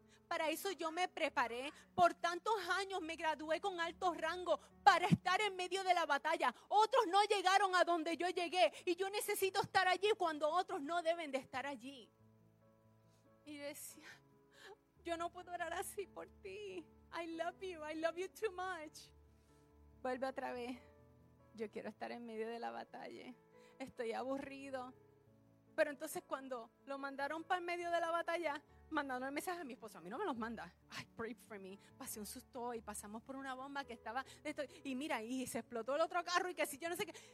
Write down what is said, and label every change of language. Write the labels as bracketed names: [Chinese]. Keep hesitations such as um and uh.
[Spanish] Para eso yo me preparé. Por tantos años me gradué con alto rango para estar en medio de la batalla. Otros no llegaron a donde yo llegué y yo necesito estar allí cuando otros no deben de estar allí. Y yo decía, yo no puedo orar así por ti. [English] I love you, I love you too much. [Spanish] Vuelve otra vez. Yo quiero estar en medio de la batalla. Estoy aburrido. Pero entonces cuando lo mandaron para el medio de la batalla, mandaron el mensaje a mi esposo. A mí no me los manda. Ay, [English] pray for me. [Spanish] Pasé un susto y pasamos por una bomba que estaba... de esto- y mira, y se explotó el otro carro y que si yo no sé qué.